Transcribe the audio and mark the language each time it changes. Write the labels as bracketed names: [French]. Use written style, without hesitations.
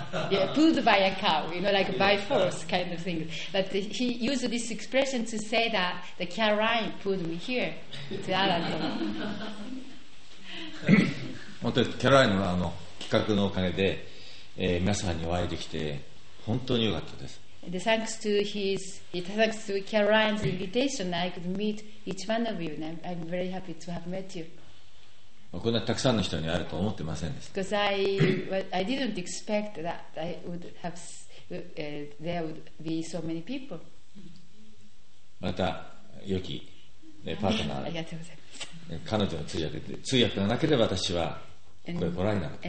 [English] Yeah, pulled by a cow, you know, like by force kind of thing. But he used this expression to say that the Caroline pulled me here to Aradon. [Japanese] 本当にキャロラインのあの企画のおかげで、皆さんにお会いできて本当に良かったです。 [English] Thanks to his, thanks to Caroline's invitation, I could meet each one of you, and I'm very happy to have met you. [Japanese] こんなたくさんの人に会えると思ってませんでした。 [English] Because I didn't expect that I would have there would be so many people. [Japanese] また良きパートナー。ありがとうございます。彼女の通訳で通訳がなければ私はこれ来られなかった。